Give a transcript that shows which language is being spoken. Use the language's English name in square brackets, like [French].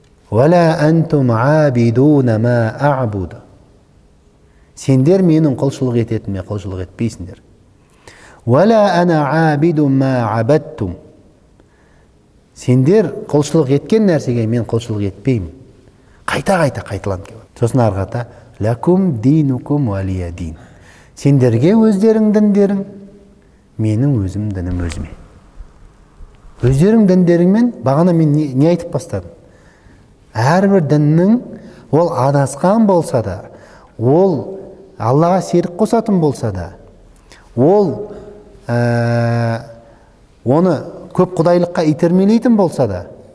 [Arabic] وَلَا أَنْتُمْ عَابِدُونَ مَا أَعْبُدُ. [Kazakh] Сендер менің құлшылық ететініме құлшылық етпейсіңдер. [Arabic] وَلَا أَنَا عَابِدُ مَا عَبَدْتُمْ. [Kazakh] Сендер құлшылық еткен нәрсеге мен құлшылық етпеймін. Қайта-қайта қайталанып келеді. Сосын арғата [Arabic] لَكُمْ دِينُكُمْ وَلِيَ دِينِ. [Kazakh] Сендерге өздерің діндерің, менің өзім дінім өзіме. Өздерің діндеріңмен бағана мен не айтып бастадым? Әрбір діннің ол адасқан болса да, ол Аллаға серік қосатын болса да, ол оны көп құдайлыққа итермелейтін болса да,